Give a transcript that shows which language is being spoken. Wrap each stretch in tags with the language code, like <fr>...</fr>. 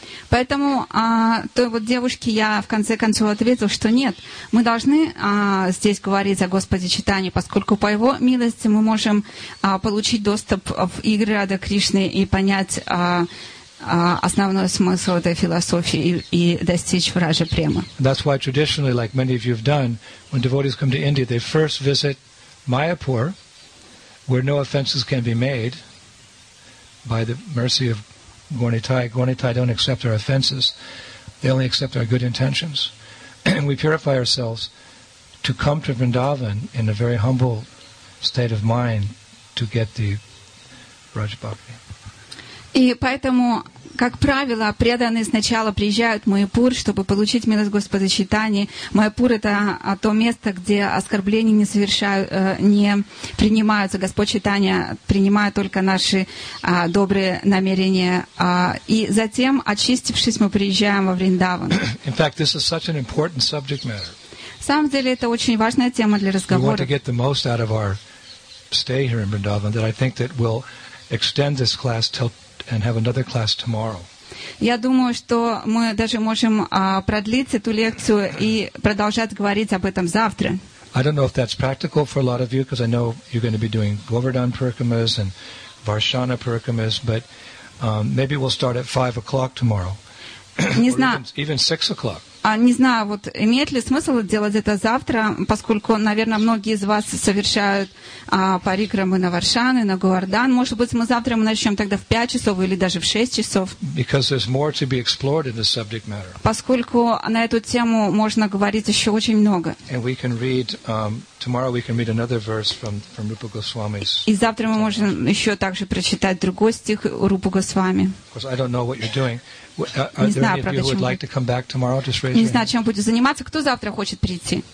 <ru>Поэтому той вот девушке я в конце концов ответил, что нет, мы должны здесь говорить о Господе Чайтанье, поскольку по Его милости мы можем получить доступ в игры Радха Кришны и понять основной смысл этой философии и достичь Враджа Према.</ru> <en>That's why traditionally, like many of you have done, when devotees come to India, they first visit Mayapur, where no offenses can be made by the mercy of Gornitai don't accept our offenses. They only accept our good intentions. And we purify ourselves to come to Vrindavan in a very humble state of mind to get the Raja Bhakti.</en> <ru>И поэтому, как правило, преданные сначала приезжают в Майпур, чтобы получить милость Господа Чайтаньи. Майпур — это то место, где оскорбления не принимаются. Господь Чайтанья принимает только наши добрые намерения. И затем, очистившись, мы приезжаем во Вриндаван.</ru> <en>In fact, this is such an important subject matter.</en> <ru>самом деле это очень важная тема для разговора.</ru> <en>We want to get the most out of our stay here in Vrindavan, that I think that we'll extend this class till and have another class tomorrow.</en> <ru>Я думаю, что мы даже можем продлить эту лекцию и продолжать говорить об этом завтра.</ru> <en>I don't know if that's practical for a lot of you, because I know you're going to be doing Govardhan Parikramas and Varshana Parikramas, but maybe we'll start at 5 o'clock tomorrow.</en> <ru>Не знаю.</ru> <en>Even 6 o'clock.</en> <ru>Не знаю, вот имеет ли смысл делать это завтра, поскольку, наверное, многие из вас совершают парикрамы на Варшаны, на Говардан. Может быть, мы завтра мы начнем тогда в 5 часов или даже в 6 часов.</ru> <en>Because there's more to be explored in the subject matter.</en> <ru>Поскольку на эту тему можно говорить еще очень много.</ru> <en>And we can read, tomorrow we can read another verse from Rupa Goswami's.</en> <ru>И завтра мы можем еще также прочитать другой стих Рупа Госвами.</ru> <en>Because I don't know what you're doing. Are there any of you who would like to come back tomorrow? Just raise your hand.</en> <ru>Не знаю, чем будет заниматься. Кто завтра хочет прийти?</ru>